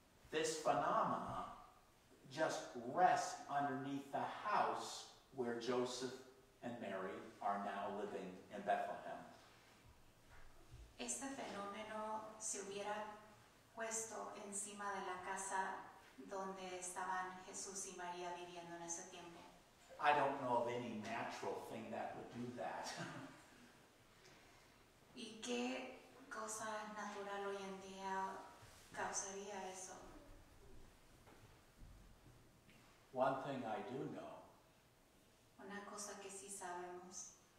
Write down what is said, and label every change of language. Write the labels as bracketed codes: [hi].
[en] this phenomena just rest underneath the house where Joseph and Mary are now living in Bethlehem. [es] Este fenómeno se hubiera puesto encima de la casa donde estaban Jesús y María viviendo en ese tiempo. [en] I don't know of any natural thing that would do that. [es] ¿Y qué cosa natural hoy en día causaría eso? [en] One thing I do know. [es] Una cosa que sí sabemos.